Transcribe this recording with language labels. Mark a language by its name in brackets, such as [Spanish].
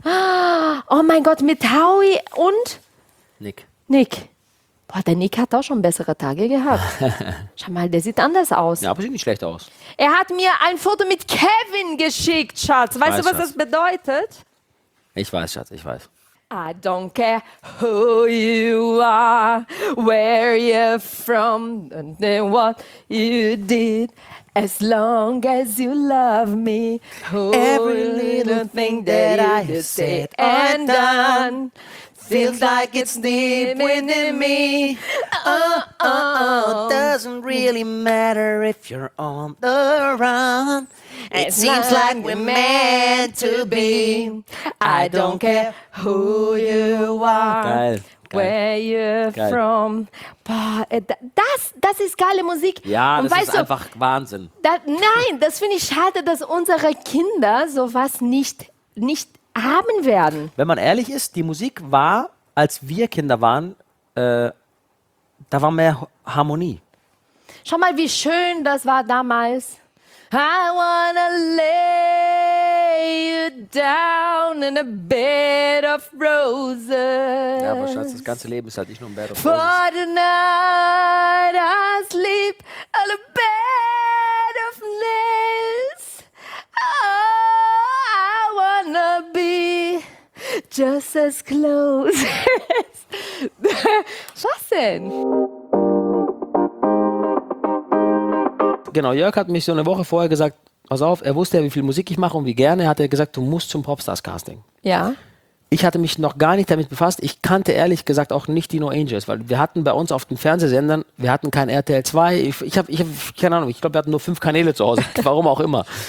[German] Oh mein Gott, mit Howie und? Nick. Boah, der Nick hat auch schon bessere Tage gehabt. Schau mal, der sieht anders aus. Ja, aber sieht nicht schlecht aus. Er hat mir ein Foto mit Kevin geschickt, Schatz. Weißt du, was das bedeutet? Ich weiß, Schatz, ich weiß. [English] I don't care who you are, where you're from, and what you did. As long as you love me, oh, every little thing that I have said and done feels like it's deep within me. Oh, doesn't really matter if you're on the run. It seems like we're meant to be. I don't care who you are. [German] Geil. [English] Where you're from. [German] Boah, das ist geile Musik. Ja, das und weißt ist du, einfach Wahnsinn. Nein, das finde ich schade, dass unsere Kinder sowas nicht haben werden. Wenn man ehrlich ist, die Musik war, als wir Kinder waren, da war mehr Harmonie. Schau mal, wie schön das war damals. [English] I wanna lay you down in a bed of roses. [German] Ja, aber Schatz, das ganze Leben ist halt nicht nur ein [English] Bed of roses. For the night I sleep on a bed of nails. Oh, I wanna be just as close as the... [German] Was denn? Genau, Jörg hat mich so eine Woche vorher gesagt, pass auf, er wusste ja, wie viel Musik ich mache und wie gerne, hat er gesagt, du musst zum Popstars-Casting. Ja. Ich hatte mich noch gar nicht damit befasst, ich kannte ehrlich gesagt auch nicht die No Angels, weil wir hatten bei uns auf den Fernsehsendern, wir hatten kein RTL 2, ich hab, keine Ahnung, ich glaube, wir hatten nur 5 Kanäle zu Hause, warum auch immer.